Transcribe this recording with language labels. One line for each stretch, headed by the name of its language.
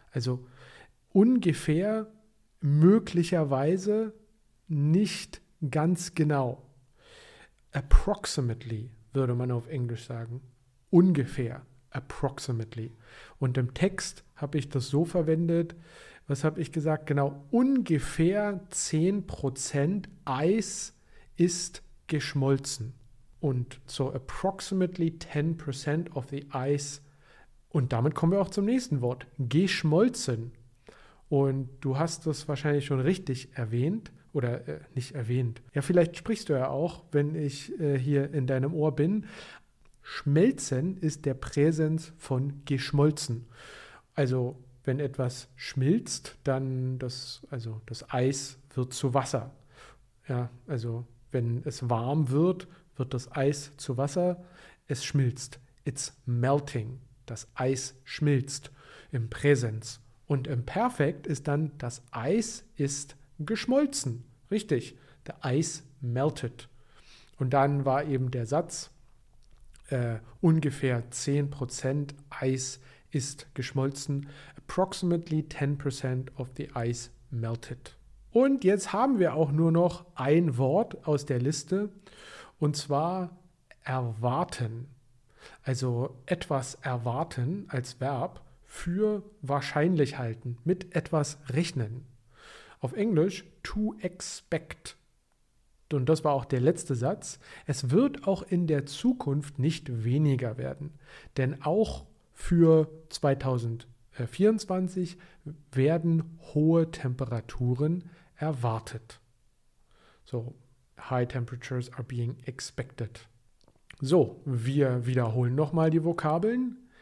German: Also ungefähr, möglicherweise, nicht ganz genau. Approximately würde man auf Englisch sagen. Ungefähr, approximately. Und im Text habe ich das so verwendet, was habe ich gesagt? Genau, ungefähr 10% Eis ist geschmolzen. Und so
English: approximately 10% of the ice.
German: Und damit kommen wir auch zum nächsten Wort, geschmolzen. Und du hast das wahrscheinlich schon richtig erwähnt oder nicht erwähnt. Ja, vielleicht sprichst du ja auch, wenn ich hier in deinem Ohr bin. Schmelzen ist der Präsens von geschmolzen. Also wenn etwas schmilzt, dann das Eis wird zu Wasser. Ja, also wenn es warm wird, wird das Eis zu Wasser. Es schmilzt.
English: It's melting.
German: Das Eis schmilzt im Präsens. Und im Perfekt ist dann, das Eis ist geschmolzen. Richtig.
English: The ice melted.
German: Und dann war eben der Satz, ungefähr 10% Eis ist geschmolzen.
English: Approximately 10% of the ice melted.
German: Und jetzt haben wir auch nur noch ein Wort aus der Liste. Und zwar erwarten. Also etwas erwarten als Verb für wahrscheinlich halten, mit etwas rechnen. Auf Englisch to expect. Und das war auch der letzte Satz. Es wird auch in der Zukunft nicht weniger werden. Denn auch für 2024 werden hohe Temperaturen erwartet.
English: So, high temperatures are being expected.
German: So, wir wiederholen nochmal die Vokabeln.